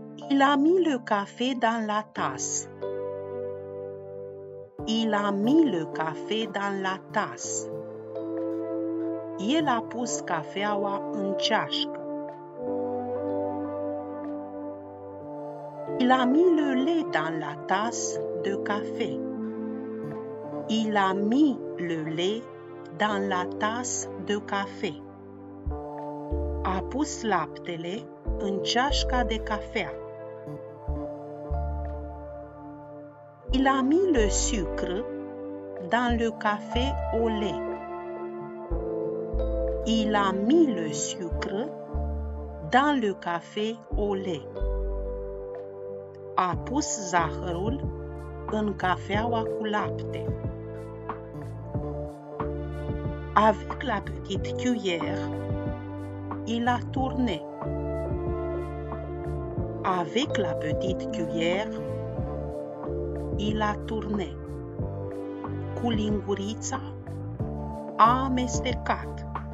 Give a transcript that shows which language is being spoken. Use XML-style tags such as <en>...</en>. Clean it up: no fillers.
<fr>Il a mis le café dans la tasse. Il a mis le café dans la tasse.</fr> <ro>El a pus cafeaua în ceașcă.</ro> <fr>Il a mis le lait dans la tasse de café. Il a mis le lait dans la tasse de café.</fr> <ro>A pus laptele în ceașca de cafea.</ro> <fr>Il a mis le sucre dans le café au lait. Il a mis le sucre dans le café au lait.</fr> <ro>A pus zahărul în cafeaua cu lapte.</ro> <fr>Avec la petite cuillère, il a tourné. Avec la petite cuillère, il a tourné.</fr> <ro>Cu lingurița, a amestecat.</ro>